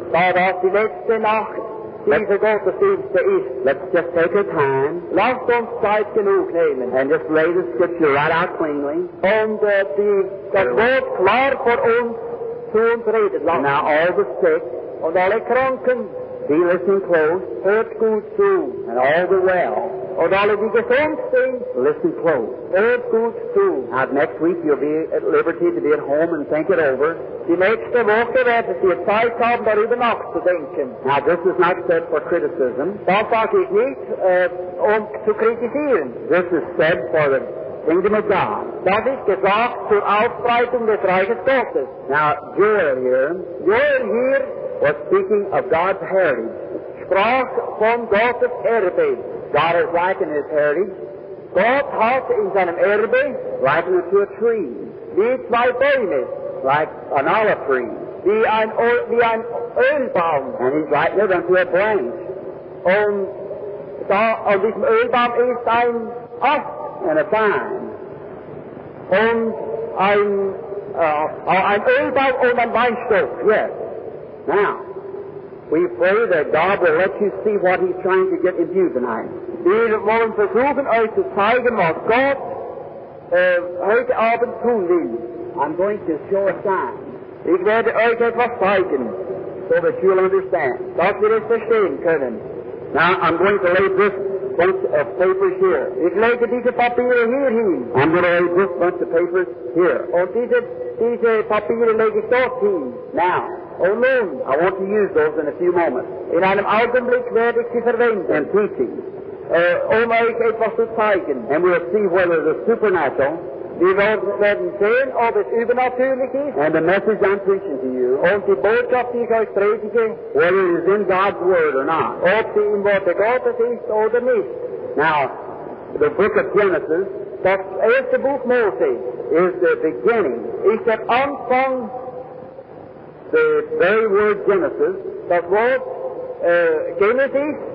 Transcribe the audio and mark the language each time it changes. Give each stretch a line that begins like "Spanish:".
German: Da das die letzte Nacht dieser Gottesdienste ist.
English: Let's just take our time.
German: Lasst uns Zeit genug nehmen.
English: And just lay the scripture right out cleanly.
German: Und das Wort klar vor uns zu uns reden lassen.
English: Now all the sick.
German: Und alle Kranken.
English: Be listening close.
German: Hört gut zu.
English: And all the well.
German: Und alle die Gesundsten.
English: Listen close.
German: Hört gut zu.
English: Now next week you'll be at liberty to be at home and think it over.
German: Die nächste Woche werden Sie Zeit haben, darüber nachzudenken.
English: Now this is not said for criticism.
German: Das sage ich nicht, um zu kritisieren.
English: This is said for the Kingdom of God.
German: Das ist gesagt zur Ausbreitung des Reiches Gottes.
English: Now Joel here. Joel here. Was speaking of God's heritage.
German: Sprach von Gottes Erbe.
English: God is likened his heritage.
German: Gott hat in seinem Erbe
English: likened to a tree.
German: Wie zwei Bäume.
English: like an olive tree.
German: Wie ein Ölbaum.
English: And he's right near them to a branch.
German: Und da an diesem Ölbaum ist ein Ast.
English: And a vine.
German: Und ein Ölbaum und ein Weinstock.
English: Yes. Now, we pray that God will let you see what he's trying to get in view tonight.
German: Wir wollen versuchen, euch zu zeigen, was Gott heute Abend tun will.
English: I'm going to show a sign.
German: Ich werde euch etwas zeigen,
English: so that you'll understand.
German: Dass wir es verstehen können.
English: Now, I'm going to lay this bunch of papers here.
German: Ich lege diese Papiere hier hin.
English: I'm going to lay this bunch of papers here.
German: Und diese Papiere lege ich dort hin.
English: Now.
German: Oh, nun.
English: I want to use those in a few moments.
German: In einem Augenblick werde ich sie verwenden.
English: And teaching.
German: Euch etwas zu zeigen.
English: And we'll see whether the supernatural.
German: Wir werden sehen, ob es übernatürlich ist.
English: And the message I'm preaching to you.
German: Und die Botschaft, die ich euch predige.
English: Whether it is in God's Word or not.
German: Ob sie im Wort Gottes ist oder nicht.
English: Now, the book of Genesis.
German: Das erste Buch Mose.
English: Is the beginning.
German: Ist der Anfang.
English: The very word Genesis.
German: Das Wort Genesis.